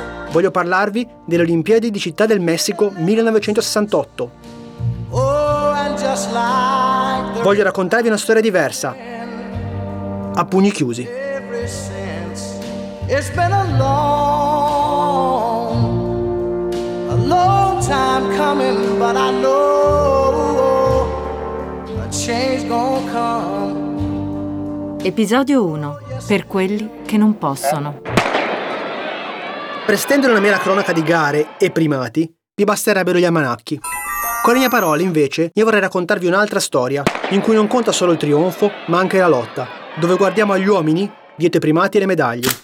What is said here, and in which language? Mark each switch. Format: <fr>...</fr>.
<it>Voglio parlarvi delle Olimpiadi di Città del Messico 1968. Voglio raccontarvi una storia diversa, a pugni chiusi.</it> <en>It's been a long time coming, but I know a change gonna come.</en> <it>Episodio 1. Per quelli che non possono. Per estendere una mera cronaca di gare e primati, vi basterebbero gli almanacchi. Con le mie parole, invece, io vorrei raccontarvi un'altra storia, in cui non conta solo il trionfo, ma anche la lotta, dove guardiamo agli uomini dietro i primati e le medaglie.</it>